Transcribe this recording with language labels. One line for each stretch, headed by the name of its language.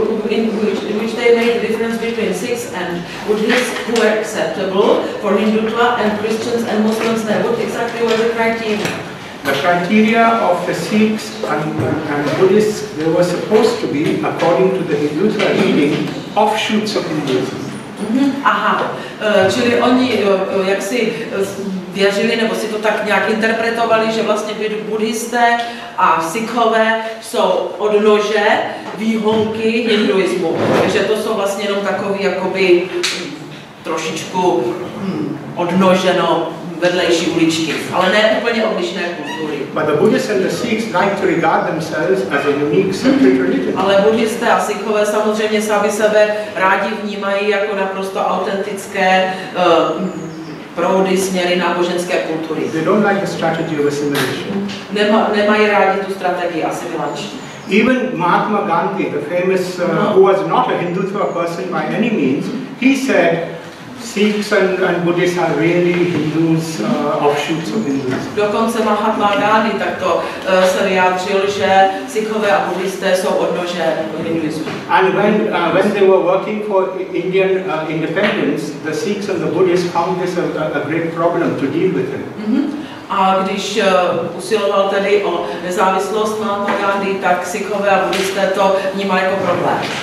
English: In which they made the difference between Sikhs and Buddhists who were acceptable for Hindutva and Christians and Muslims there. What exactly were the criteria? The criteria of the Sikhs and Buddhists, they were supposed to be, according to the Hindutva reading, offshoots of Hinduism. Mm-hmm.
Czech: Aha, čili oni jaksi věřili, nebo si to tak nějak interpretovali, že vlastně buddhisté a sikhové jsou odnože výhonky hinduismu. Takže to jsou vlastně jenom takový jakoby trošičku odnoženo vedlejší uličky, ale ne úplně odlišné kultury.
English: But the Buddhists and the Sikhs like to regard themselves as a unique separate religion.
Czech: Ale buddhisté a sikhové samozřejmě sami sebe rádi vnímají jako naprosto autentické proudy, směry náboženské kultury.
English: They don't like the strategy of assimilation.
Czech: Nemají rádi tu strategii asimilační.
English: Even Mahatma Gandhi, the famous, who was not a Hindutva person by any means, he said, Sikhs and Buddhists are really Hindus, offshoots of Hinduism.
Czech: Dokonce Mahatma Gandhi takto se vyjádřil, že Sikhové a Buddhisté jsou odnože Hinduismu.
English: And when they were working for Indian independence, the Sikhs and the Buddhists found this a great problem to deal with them. Mm-hmm.
Czech: A když usiloval tedy o nezávislost Mahatma Gandhi, tak Sikhové a Buddhisté to vnímali jako problém.